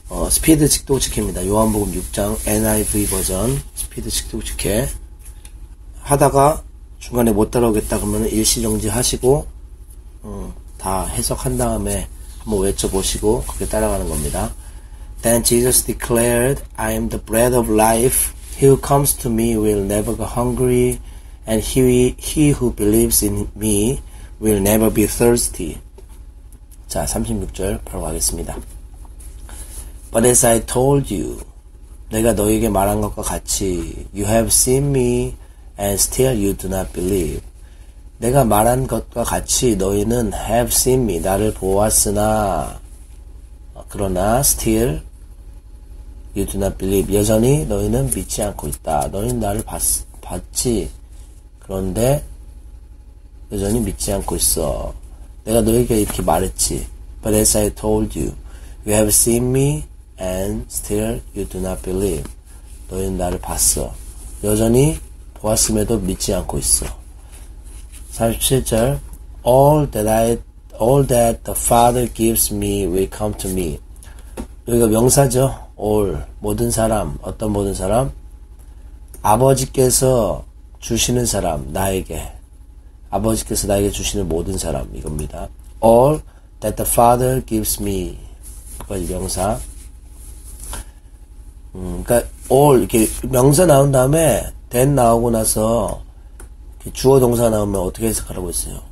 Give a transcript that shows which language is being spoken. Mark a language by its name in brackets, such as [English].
[Korean] 스피드 직도직회입니다. 요한복음 6장 NIV 버전 스피드 직도직회 하다가 중간에 못 따라오겠다 그러면 일시정지 하시고 다 해석한 다음에 한번 외쳐보시고 그렇게 따라가는 겁니다. [English] Then Jesus declared, I am the bread of life. He who comes to me will never go hungry, and he who believes in me will never be thirsty. [Korean] 자, 36절 바로 가겠습니다. [English] But as I told you, [Korean] 내가 너에게 말한 것과 같이, [English] you have seen me, and still you do not believe. [Korean] 내가 말한 것과 같이 너희는 [English] have seen me, [Korean] 나를 보았으나, 그러나 [English] still you do not believe. [Korean] 여전히 너희는 믿지 않고 있다. 너희는 나를 봤지. 그런데 여전히 믿지 않고 있어. 내가 너희에게 이렇게 말했지. [English] But as I told you, you have seen me and still you do not believe. [Korean] 너희는 나를 봤어. 여전히 보았음에도 믿지 않고 있어. [English] 37절, all that the Father gives me will come to me. [Korean] 여기가 명사죠. All, 모든 사람, 어떤 모든 사람? 아버지께서 주시는 사람, 나에게. 아버지께서 나에게 주시는 모든 사람, 이겁니다. [English] All that the Father gives me. [Korean] 그거 명사. 그러니까 all, 이렇게 명사 나온 다음에 then 나오고 나서 주어 동사 나오면 어떻게 해석하라고 했어요?